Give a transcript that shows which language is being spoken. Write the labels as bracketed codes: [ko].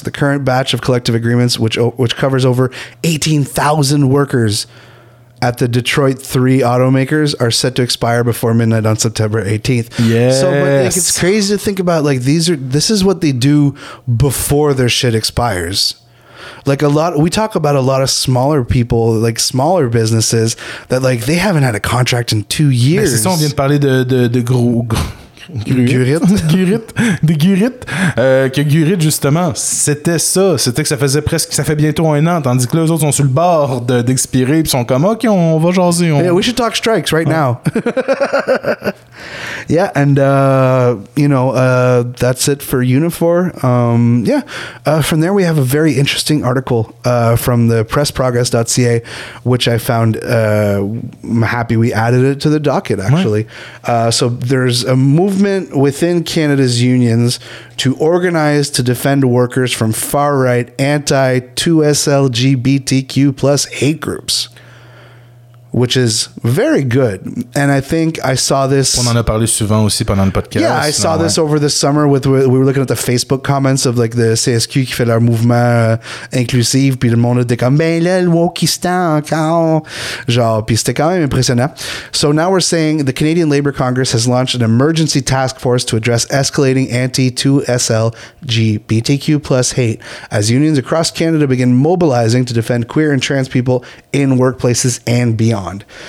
[en] The current batch of collective agreements, which covers over 18,000 workers at the Detroit 3 automakers, are set to expire before midnight on September 18th. Yes. So, like, it's crazy to think about, like, this is what they do before their shit expires. Like, we talk about a lot of smaller people, like smaller businesses, that, like, they haven't had a contract in 2 years. [fr] Mais c'est ça, on vient de parler de gros. Gurit. Que Gurit, justement, c'était ça. C'était que ça faisait presque. Ça fait bientôt un an, tandis que là, eux autres sont sur le bord d'expirer, puis sont comme, OK, on va jaser. [en] Yeah, we should talk strikes right now. Yeah, and, you know, that's it for Unifor. From there, we have a very interesting article from the pressprogress.ca, which I found happy we added it to the docket, actually. So there's a movement within Canada's unions to organize to defend workers from far-right anti-2SLGBTQ+ hate groups. Which is very good. And I think I saw this. [fr] On en a parlé souvent aussi pendant le podcast. [en] Yeah, I saw this over the summer with. We were looking at the Facebook comments of like the CSQ [fr] qui fait leur mouvement inclusif. Puis le monde était comme, ben là, le wokistan encore. Genre, puis c'était quand même impressionnant. [en] So now we're saying the Canadian Labour Congress has launched an emergency task force to address escalating anti-2SLGBTQ+ hate as unions across Canada begin mobilizing to defend queer and trans people in workplaces and beyond. beyond.